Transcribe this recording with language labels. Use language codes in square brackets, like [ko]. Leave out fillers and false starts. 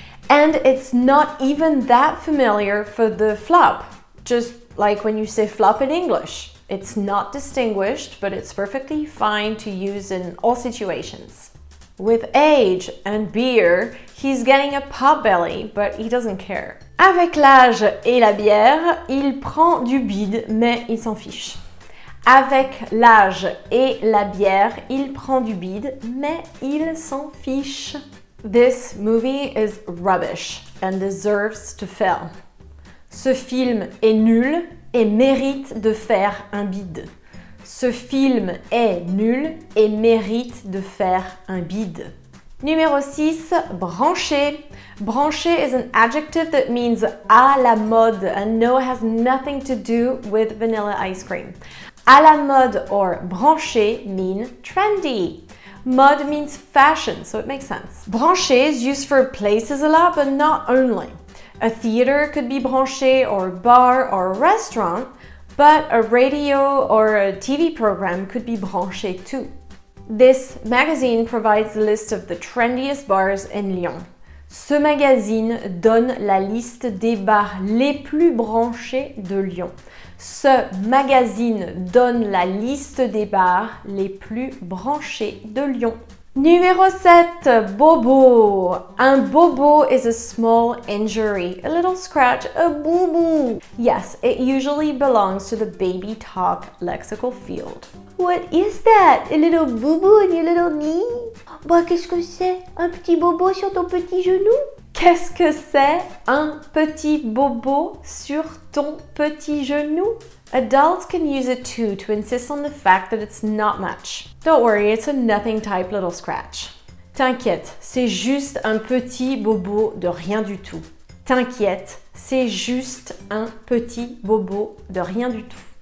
[en] And it's not even that familiar for the flop. Just like when you say flop in English. It's not distinguished, but it's perfectly fine to use in all situations. With age and beer, he's getting a pot belly, but he doesn't care. [fr] Avec l'âge et la bière, il prend du bide, mais il s'en fiche. Avec l'âge et la bière, il prend du bide, mais il s'en fiche. [en] This movie is rubbish and deserves to fail. [fr] Ce film est nul et mérite de faire un bide. Ce film est nul et mérite de faire un bide. Numéro 6, branché. [en] Branché is an adjective that means à la mode and no, it has nothing to do with vanilla ice cream. À la mode or branché mean trendy. Mode means fashion, so it makes sense. Branché is used for places a lot, but not only. A theater could be branché, or a bar, or a restaurant, but a radio or a TV program could be branché too. This magazine provides a list of the trendiest bars in Lyon. [fr] Ce magazine donne la liste des bars les plus branchés de Lyon. Ce magazine donne la liste des bars les plus branchés de Lyon. [en] Numéro 7, bobo. Un bobo is a small injury, a little scratch, a boo-boo. Yes, it usually belongs to the baby talk lexical field. What is that? A little boo-boo on your little knee? [fr] Bah, qu'est-ce que c'est? Un petit bobo sur ton petit genou? Qu'est-ce que c'est? Un petit bobo sur ton petit genou? [en] Adults can use it too to insist on the fact that it's not much. Don't worry, it's a nothing type little scratch. [fr] T'inquiète, c'est juste un petit bobo de rien du tout. T'inquiète, c'est juste un petit bobo de rien du tout.